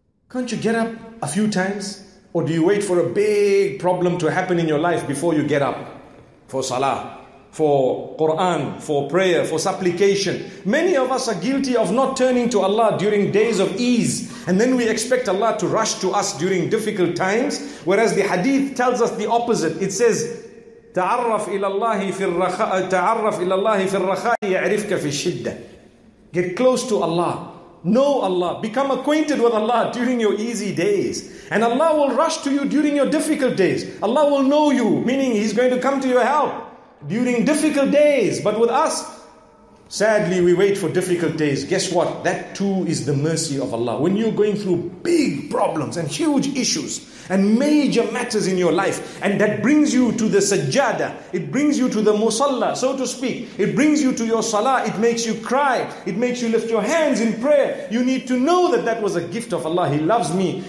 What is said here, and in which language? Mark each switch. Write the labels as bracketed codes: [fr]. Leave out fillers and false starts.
[en] Can't you get up a few times? Or do you wait for a big problem to happen in your life before you get up? For salah, for Quran, for prayer, for supplication. Many of us are guilty of not turning to Allah during days of ease. And then we expect Allah to rush to us during difficult times. Whereas the hadith tells us the opposite. It says, [ar] تعرف إلى الله في الرخاء يعرفك في الشدة. [en] Get close to Allah. Know Allah. Become acquainted with Allah during your easy days. And Allah will rush to you during your difficult days. Allah will know you, meaning He's going to come to your help during difficult days. But with us, sadly, we wait for difficult days. Guess what? That too is the mercy of Allah. When you're going through big problems and huge issues and major matters in your life, and that brings you to the sajjada, it brings you to the musalla, so to speak, it brings you to your salah, it makes you cry, it makes you lift your hands in prayer, you need to know that that was a gift of Allah. He loves me.